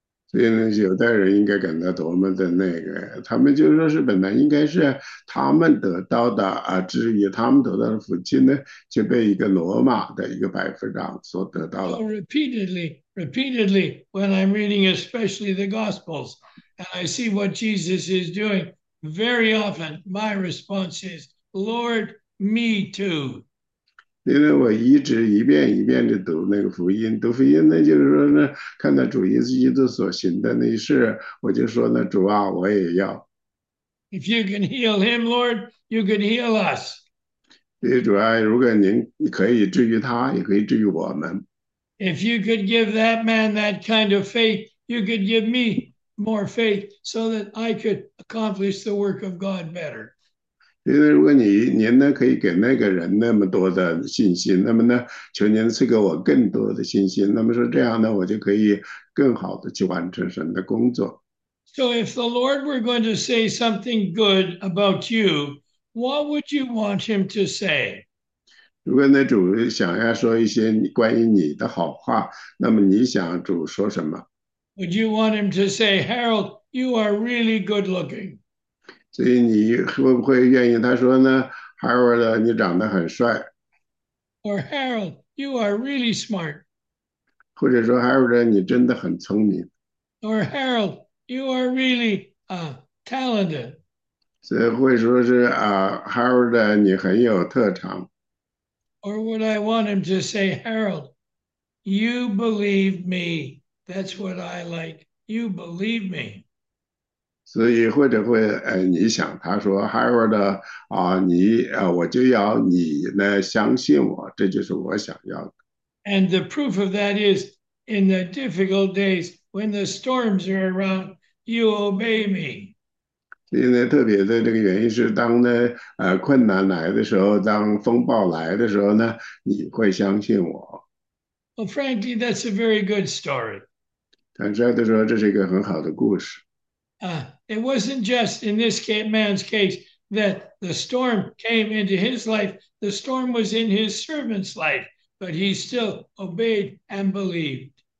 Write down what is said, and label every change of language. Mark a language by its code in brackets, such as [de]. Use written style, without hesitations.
[zh] 所以呢，犹太人应该感到多么的那个，他们就说是本来应该是他们得到的啊，至于他们得到的福气呢，却被一个罗马的一个百夫长所得到了。 [en] So repeatedly, when I'm reading especially the Gospels, and I see what Jesus is doing, very often my response is, Lord, me too. [zh] 因为我一直一遍一遍地读那个福音，读福音呢，就是说呢，看到主耶稣基督所行的那事，我就说呢，主啊，我也要。 [en] If you can heal him, Lord, you can heal us. [zh] 所以主啊，如果您可以治愈他，也可以治愈我们。 [en] If you could give that man that kind of faith, you could give me more faith so that I could accomplish the work of God better. [zh] 因为如果您呢可以给那个人那么多的信心，那么呢，求您赐给我更多的信心。那么说这样呢，我就可以更好的去完成神的工作。 [en] So if the Lord were going to say something good about you, what would you want him to say? [zh] 如果那主想要说一些关于你的好话，那么你想主说什么 [en] ？Would you want him to say, Harold, you are really good looking? [zh] 所以你会不会愿意他说呢 ？Harold， 你长得很帅。 [en] Or Harold, you are really smart. [zh] 或者说 Harold， 你真的很聪明。 [en] Or Harold, you are really talented. [zh] 所以会说是Harold， 你很有特长。 [en] Or would I want him to say, Harold, you believe me. That's what I like. You believe me. [zh] 所以或者会你想他说 Harold 我就要你呢相信我，这就是我想要的。 [en] And the proof of that is in the difficult days when the storms are around, you obey me. [zh] 因为特别的这个原因是，当呢困难来的时候，当风暴来的时候呢，你会相信我。 [en] Well, frankly, that's a very good story. [zh] 坦率地说，这是一个很好的故事。 [en] It wasn't just in this man's case that the storm came into his life. The storm was in his servant's life, but he still obeyed and believed.